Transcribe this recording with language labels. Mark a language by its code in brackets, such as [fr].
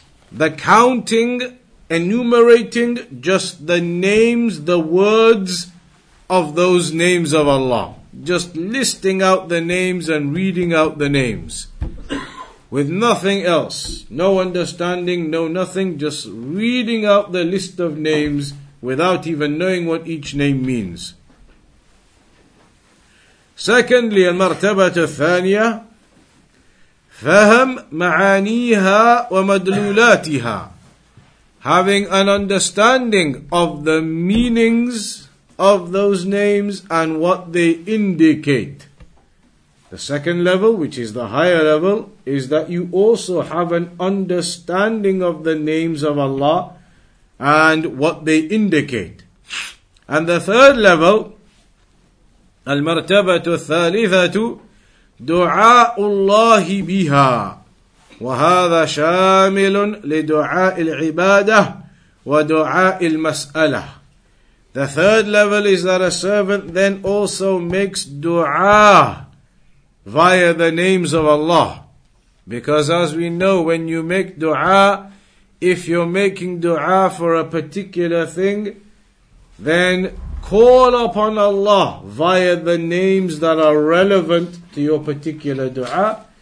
[en] The counting, enumerating just the names, the words of those names of Allah. Just listing out the names and reading out the names. With nothing else. No understanding, no nothing. Just reading out the list of names without even knowing what each name means. [ar] Secondly, المرتبة الثانية فهم معانيها ومدلولاتها. [en] Having an understanding of the meanings of those names and what they indicate. The second level, which is the higher level, is that you also have an understanding of the names of Allah and what they indicate. And the third level, [ar] المرتبة الثالثة دعاء الله بها. وهذا شامل لدعاء العبادة ودعاء المسألة. [en] The third level is that a servant then also makes dua via the names of Allah. Because as we know, when you make dua, if you're making dua for a particular thing, then call upon Allah via the names that are relevant to your particular dua.